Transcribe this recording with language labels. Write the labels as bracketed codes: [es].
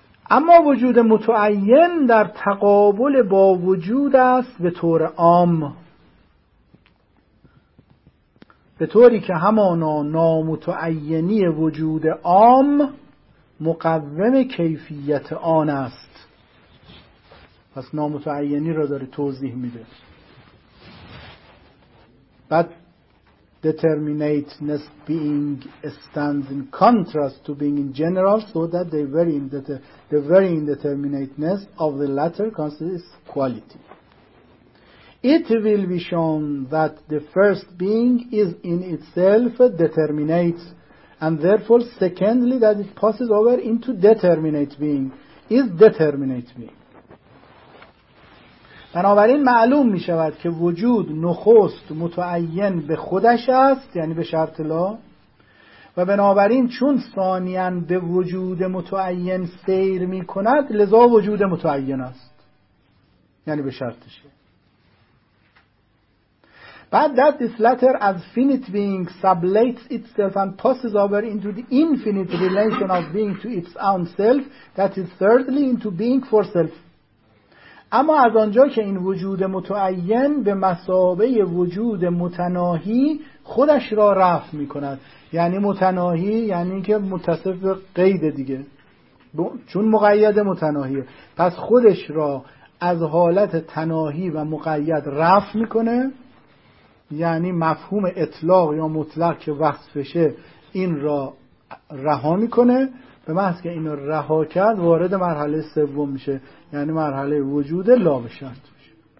[fa] اما وجود متعین در تقابل با وجود است به طور عام، به طوری که همانا نامتعینی وجود عام مقوم کیفیت آن است. پس نامتعینی را داره توضیح میده. [en] But determinateness being stands in contrast to being in general, so that the very indeterminateness of the latter constitutes quality. It will be shown that the first being is in itself determinate, and therefore secondly that it passes over into determinate being is determinate being. [fa] بنابراین معلوم می شود که وجود نخست متعین به خودش است، یعنی به شرط لا، و بنابراین چون ثانیاً به وجود متعین سیر می کند لذا وجود متعین است، یعنی به شرطش. [en] But that this latter as finite being sublates itself and passes over into the infinite relation of being to its own self, that is thirdly into being for self. [fa] اما از آنجا که این وجود متعین به مثابه وجود متناهی خودش را رفع می کند، یعنی متناهی یعنی که متصف به قید دیگه، چون مقید متناهیه، پس خودش را از حالت تناهی و مقید رفع می کنه، یعنی مفهوم اطلاق یا مطلق که وصفشه این را رها میکنه، به محض که این را رها کرد وارد مرحله سوم میشه، یعنی مرحله وجود لا به شرط میشه.